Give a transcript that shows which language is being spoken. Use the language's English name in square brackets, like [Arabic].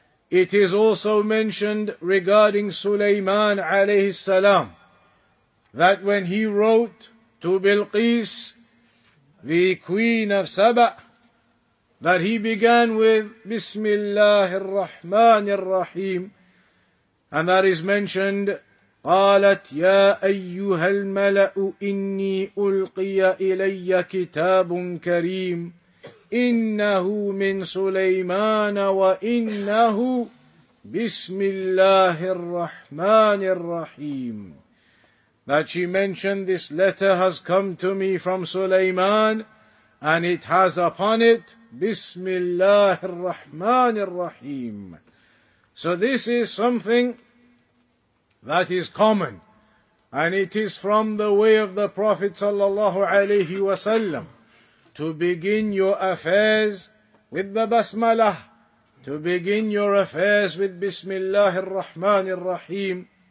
[English] It is also mentioned regarding Sulaiman alayhi salam that when he wrote to Bilqis, the queen of Saba, that he began with Bismillahir Rahmanir Rahim, and that is mentioned, [Arabic] قَالَتْ يَا أَيُّهَا الْمَلَأُ إِنِّي أُلْقِيَ إِلَيَّ كِتَابٌ كَرِيمٌ. إنه من سليمان وإنه بسم الله الرحمن الرحيم. [English] That she mentioned, this letter has come to me from Sulaiman, and it has upon it Bismillah ar-Rahman ar-Rahim. So this is something that is common, and it is from the way of the Prophet sallallahu alayhi wa sallam to begin your affairs with the basmalah, to begin your affairs with Bismillah ar-Rahman ar-Rahim.